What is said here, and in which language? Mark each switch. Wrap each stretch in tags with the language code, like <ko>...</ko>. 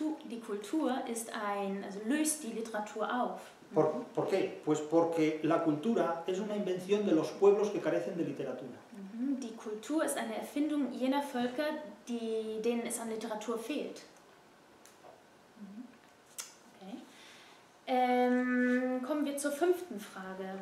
<de>Die Kultur ist ein, also löst die Literatur auf.</de> <es>¿Por qué? Pues porque la cultura es una invención de los pueblos que carecen de literatura.</es> <de>Die Kultur ist eine Erfindung jener Völker, denen es an Literatur fehlt. Okay. Kommen wir zur fünften Frage.</de>